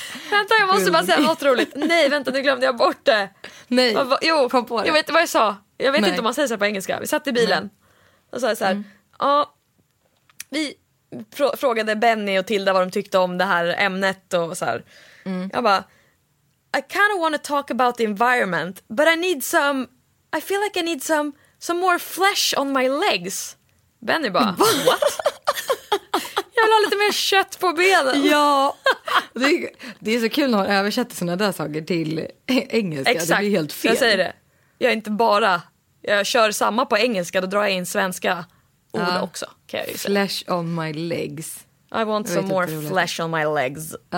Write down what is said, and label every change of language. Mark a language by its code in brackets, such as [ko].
[sv] Vänta, jag måste bara säga något roligt. Nej, vänta, nu glömde jag bort det. Nej, jo, kom på det. Jag vet vad jag sa. Jag vet inte om man säger så här på engelska. Vi satt i bilen och sa så här. Ja, vi frågade Benny och Tilda vad de tyckte om det här ämnet. Och så här. Jag bara... [en] I kind of want to talk about the environment, but I need some... I feel like I need some more flesh on my legs. [sv] Benny bara, [en] what? [sv] Jag vill ha lite mer kött på benen. Ja, Det är så kul när man översätter sådana där saker till engelska. Exakt. Det blir helt fel. Jag säger det. Jag är inte bara... Jag kör samma på engelska, då drar jag in svenska ord också. Kan jag ju säga. [en] Flesh on my legs. I want some more flesh on my legs.